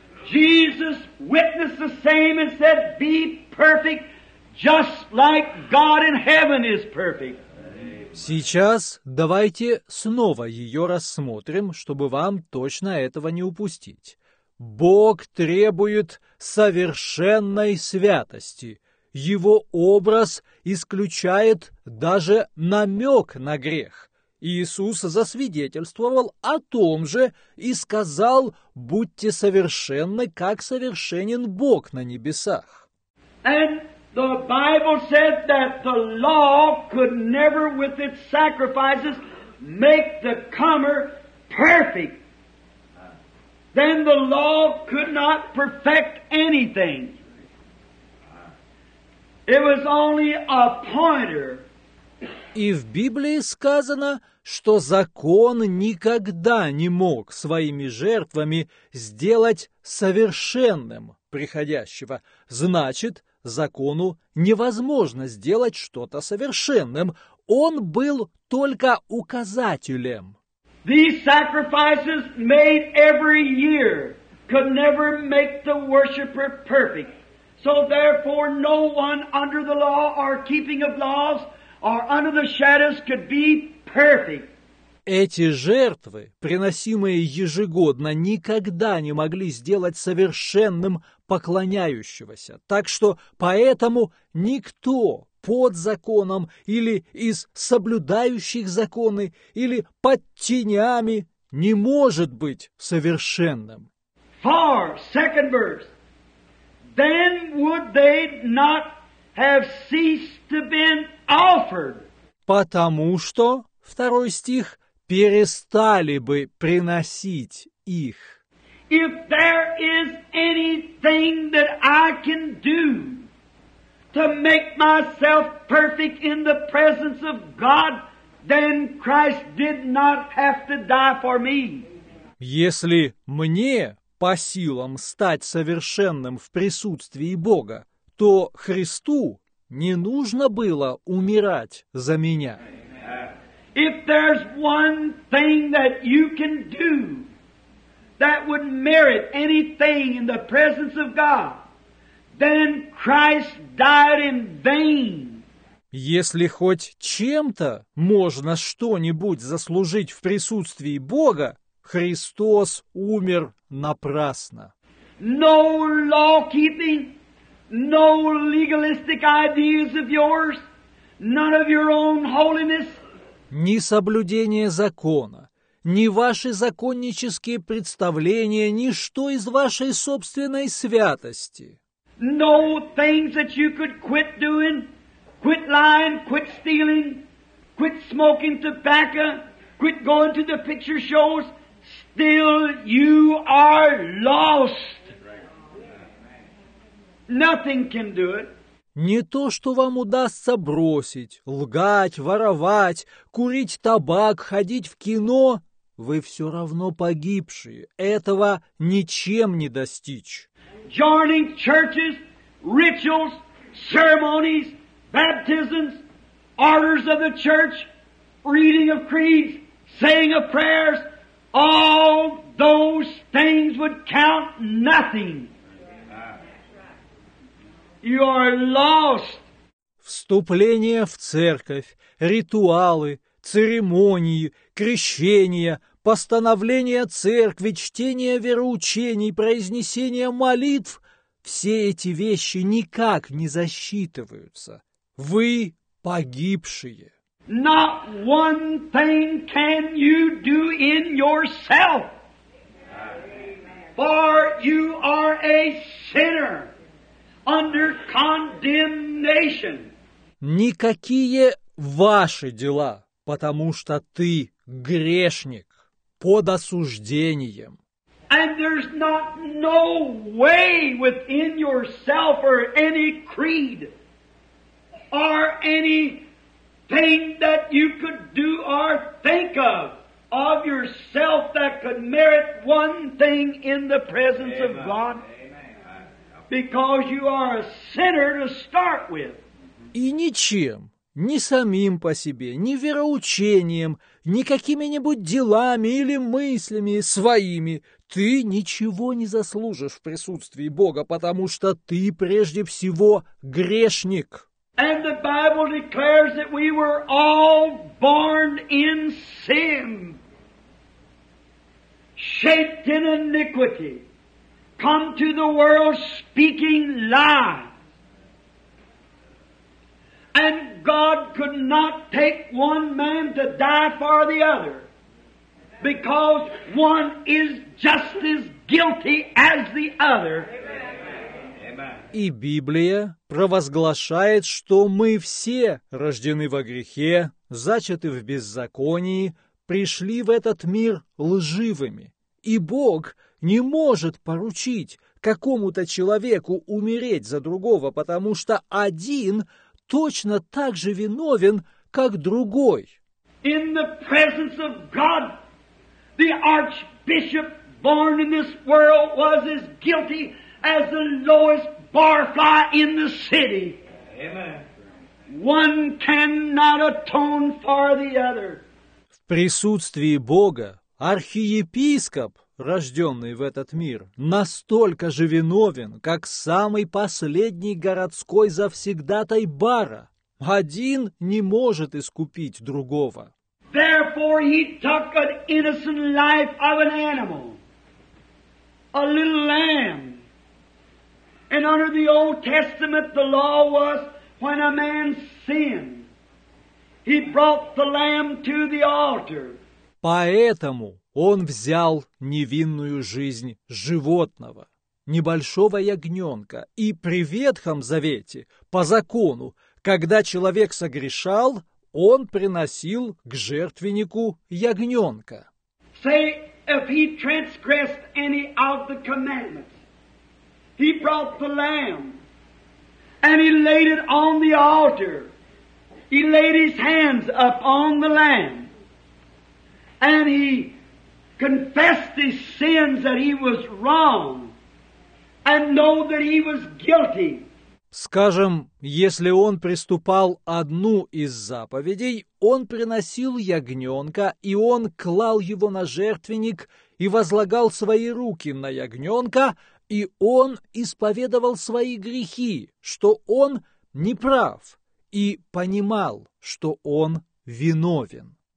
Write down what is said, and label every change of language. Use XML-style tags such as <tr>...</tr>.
<en>Jesus witnessed the same and said, "Be perfect, just like God in heaven is perfect."</en> <ru>Сейчас давайте снова ее рассмотрим, чтобы вам точно этого не упустить. Бог требует совершенной святости. Его образ исключает даже намек на грех. Иисус засвидетельствовал о том же и сказал, «Будьте совершенны, как совершенен Бог на небесах».</ru> <en>And the Bible said that the law could never with its sacrifices make the comer perfect. perfect, then the law could not perfect anything. It was only a pointer.</en> <ru>И в Библии сказано, что закон никогда не мог своими жертвами сделать совершенным приходящего. Значит, закону невозможно сделать что-то совершенным. Он был только указателем.</ru> <en>These sacrifices made every year could never make the worshiper perfect. So therefore, no one under the law or keeping of laws or under the shadows could be perfect.</en> <ru>Эти жертвы, приносимые ежегодно, никогда не могли сделать совершенным поклоняющегося. Так что поэтому никто под законом или из соблюдающих законы или под тенями не может быть совершенным.</ru> <en>For, second verse. Then would they not have ceased to be offered?</en> <ru>Потому что, второй стих, перестали бы приносить их.</ru> <en>If there is anything that I can do to make myself perfect in the presence of God, then Christ did not have to die for me.</en> <ru>Если мне по силам стать совершенным в присутствии Бога, то Христу не нужно было умирать за меня.</ru> <en>If there's one thing that you can do that would merit anything in the presence of God, then Christ died in vain.</en> <ru>Если хоть чем-то можно что-нибудь заслужить в присутствии Бога, Христос умер напрасно.</ru> <en>No law-keeping, no legalistic ideas of yours, none of your own holiness.</en> <ru>Ни соблюдение закона, ни ваши законнические представления, ничто из вашей собственной святости.</ru> <en>No things that you could quit doing, quit lying, quit stealing, quit smoking tobacco, quit going to the picture shows. Still, you are lost. Nothing can do it.</en> <ru>Не то, что вам удастся бросить, лгать, воровать, курить табак, ходить в кино, вы все равно погибшие. Этого ничем не достичь.</ru> <en>Joining churches, rituals, ceremonies, baptisms, orders of the church, reading of creeds, saying of prayers. All those things would count nothing. You are lost.</en> <ru>Вступление в церковь, ритуалы, церемонии, крещения, постановления церкви, чтение вероучений, произнесение молитв — все эти вещи никак не засчитываются. Вы погибшие.</ru> <en>Not one thing can you do in yourself, for you are a sinner under condemnation.</en> <ru>Никакие ваши дела, потому что ты грешник под осуждением.</ru> <en>And there's not no way within yourself or any creed or any thing that you could do or think of yourself that could merit one thing in the presence Amen. Of God. Amen. Because you are a sinner to start with.</en> <ru>И ничем, ни самим по себе, ни вероучением, ни какими-нибудь делами или мыслями своими, ты ничего не заслужишь в присутствии Бога, потому что ты прежде всего грешник.</ru> <en>And the Bible declares that we were all born in sin, shaped in iniquity, come to the world speaking lies. And God could not take one man to die for the other, because one is just as guilty as the other.</en> <ru>И Библия провозглашает, что мы все рождены во грехе, зачаты в беззаконии, пришли в этот мир лживыми, и Бог не может поручить какому-то человеку умереть за другого, потому что один точно так же виновен, как другой.</ru> <en>In the presence of God, the archbishop born in this world was as guilty as the lowest barfly in the city. Amen. One cannot atone for the other.</en> <ru>В присутствии Бога архиепископ, рожденный в этот мир, настолько же виновен, как самый последний городской завсегдатай бара. Один не может искупить другого.</ru> <en>Therefore he took an innocent life of an animal, a little lamb. And under the Old Testament the law was, when a man sinned, he brought the lamb to the altar.</en> <ru>Поэтому он взял невинную жизнь животного, небольшого ягненка, и при Ветхом Завете, по закону, когда человек согрешал, он приносил к жертвеннику ягненка.</ru> <en>Say, if he transgressed any of the commandments, he brought the lamb, and he laid it on the altar, he laid his hands upon the lamb, and he confessed his sins that he was wrong, and know that he was guilty.</en> <ru>Скажем, если он приступал одну из заповедей, он приносил ягненка, и он клал его на жертвенник и возлагал свои руки на ягненка, и он исповедовал свои грехи, что он неправ, и понимал, что он виновен.</ru>